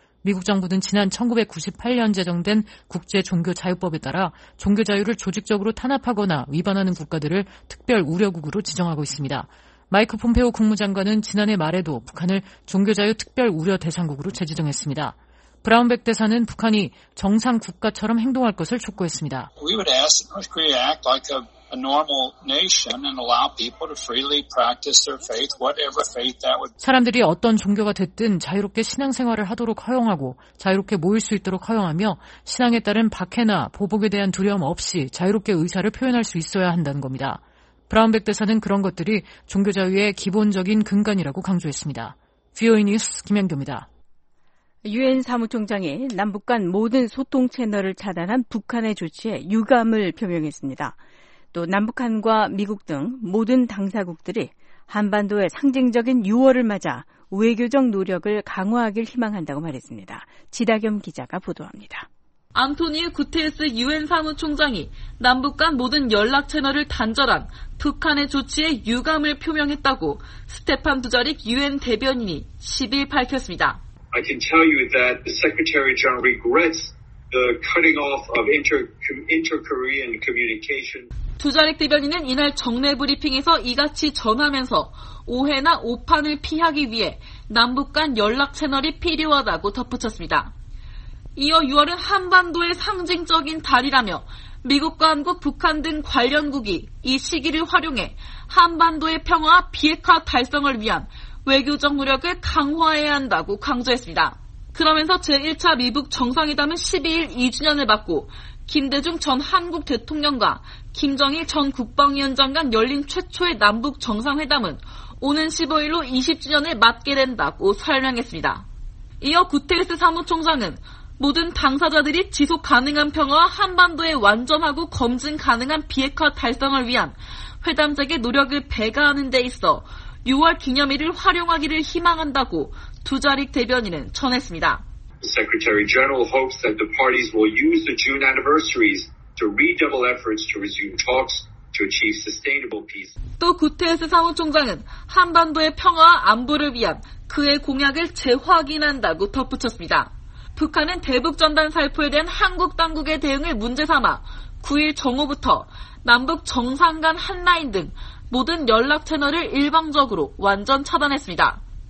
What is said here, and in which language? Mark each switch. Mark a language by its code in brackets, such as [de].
[ko] 미국 정부는 지난 1998년 제정된 국제종교자유법에 따라 종교자유를 조직적으로 탄압하거나 위반하는 국가들을 특별 우려국으로 지정하고 있습니다. 마이크 폼페오 국무장관은 지난해 말에도 북한을 종교자유 특별 우려 대상국으로 재지정했습니다. 브라운백 대사는 북한이 정상 국가처럼 행동할 것을 촉구했습니다. [en] We would ask North Korea to act like a normal nation and allow people to freely practice their faith, whatever faith that would be. [ko] 사람들이 어떤 종교가 됐든 자유롭게 신앙생활을 하도록 허용하고 자유롭게 모일 수 있도록 허용하며 신앙에 따른 박해나 보복에 대한 두려움 없이 자유롭게 의사를 표현할 수 있어야 한다는 겁니다. 브라운백 대사는 그런 것들이 종교 자유의 기본적인 근간이라고 강조했습니다. VOA 뉴스 김현규입니다. 유엔 사무총장이 남북 간 모든 소통 채널을 차단한 북한의 조치에 유감을 표명했습니다. 또 남북한과 미국 등 모든 당사국들이 한반도의 상징적인 6월을 맞아 외교적 노력을 강화하길 희망한다고 말했습니다. 지다겸 기자가 보도합니다. 안토니우 구테스 유엔 사무총장이 남북 간 모든 연락 채널을 단절한 북한의 조치에 유감을 표명했다고 스테판 두자릭 유엔 대변인이 10일 밝혔습니다. [en] I can tell you that the Secretary General regrets the cutting off of inter-Korean communication. [ko] 두자릭 대변인은 이날 정례 브리핑에서 이같이 전하면서 오해나 오판을 피하기 위해 남북 간 연락 채널이 필요하다고 덧붙였습니다. 이어 6월은 한반도의 상징적인 달이라며 미국과 한국, 북한 등 관련국이 이 시기를 활용해 한반도의 평화와 비핵화 달성을 위한 외교적 노력을 강화해야 한다고 강조했습니다. 그러면서 제1차 미북 정상회담은 12일 2주년을 맞고 김대중 전 한국 대통령과 김정일 전 국방위원장 간 열린 최초의 남북 정상회담은 오는 15일로 20주년을 맞게 된다고 설명했습니다. 이어 구테레스 사무총장은 모든 당사자들이 지속 가능한 평화와 한반도의 완전하고 검증 가능한 비핵화 달성을 위한 회담적의 노력을 배가하는 데 있어 6월 기념일을 활용하기를 희망한다고 두자릭 대변인은 전했습니다. [en] Secretary General hopes that the parties will use the June anniversaries to redouble efforts to resume talks to achieve sustainable peace. [ko] 또 구테스 사무총장은 한반도의 평화와 안보를 위한 그의 공약을 재확인한다고 덧붙였습니다. 북한은 대북전단 살포에 대한 한국 당국의 대응을 문제 삼아 9일 정오부터 남북 정상 간 한라인 등 모든 연락 채널을 일방적으로 완전 차단했습니다.